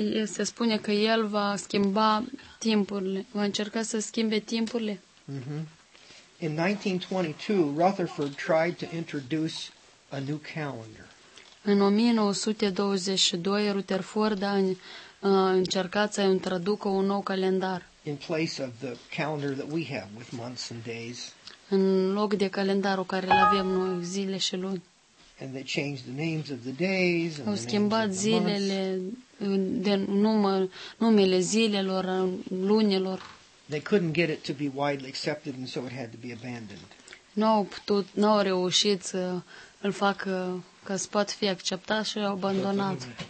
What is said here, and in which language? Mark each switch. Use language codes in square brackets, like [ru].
[ro] Se spune că el va schimba timpurile, va încerca să schimbe timpurile. [en] In 1922, Rutherford tried to introduce a new calendar. [ro] În 1922, Rutherford a încercat să introducă un nou calendar. [en] In place of the calendar that we have with months and days. [ro] În loc de calendarul care îl avem noi, zile și luni. [en] And they changed the names of the days and [ro] au schimbat [en] the names [ro] zilele, [en] the [ro] numele zilelor, lunilor. [en] They couldn't get it to be widely accepted and so it had to be abandoned. [ro] N-au reușit să îl facă ca să poată fi acceptat și l-au abandonat.